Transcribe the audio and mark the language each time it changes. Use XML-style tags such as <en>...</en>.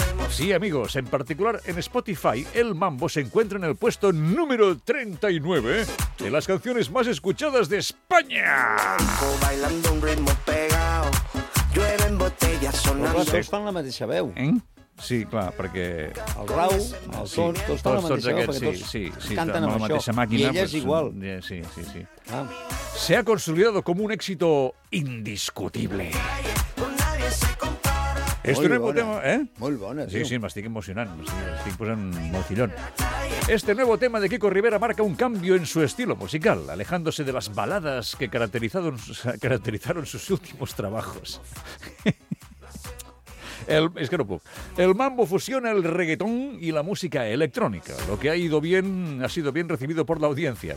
<es>Sí, amigos, en particular en Spotify, El Mambo se encuentra en el puesto número 39 de las canciones más escuchadas de España. Bailando un ritmo pegado, llueve en botellas sonando.</es> <ca>Tots fan la mateixa veu. Sí, clar, perquè... El Rau, el Tons, sí, tots fan la mateixa veu, sí, sí, sí, canten amb la mateixa màquina. I ella és igual. Sí, sí, sí. Ah.</ca> <es>Se ha consolidado como un éxito indiscutible. Este nuevo</es> <ca>bona.</ca> <es>Tema, ¿eh?</es> <ca>Molt bona, sí, sí, m'estic emocionant, m'estic posant molt fillón.</ca> <es>Este nuevo tema de Kiko Rivera marca un cambio en su estilo musical, alejándose de las baladas que caracterizaron sus últimos trabajos.</es> <ca>Es que no puc.</ca> <es>El mambo fusiona el reggaetón y la música electrónica. Lo que ha ido bien ha sido bien recibido por la audiencia.</es>